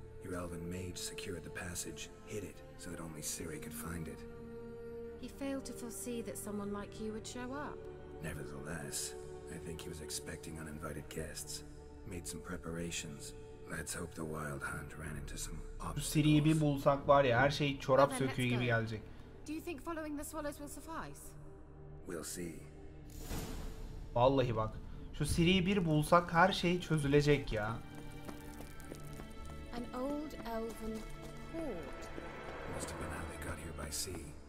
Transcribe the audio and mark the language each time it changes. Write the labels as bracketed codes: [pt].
[en] Your elven mage secured the passage, hid it, so that only Siri could find it. He failed to foresee that someone like you would show up. Nevertheless, I think he was expecting uninvited guests. Made some preparations. Let's hope the Wild Hunt ran into some obstacles. [tr] Siri'yi bir bulsak var ya, her şey çorap söküğü gibi gelecek. [en] Do you think following the swallows will suffice? We'll see. [tr] Vallahi bak, şu Siri'yi bir bulsak her şey çözülecek ya. [en] An old elven port. Must have been how they got here by sea.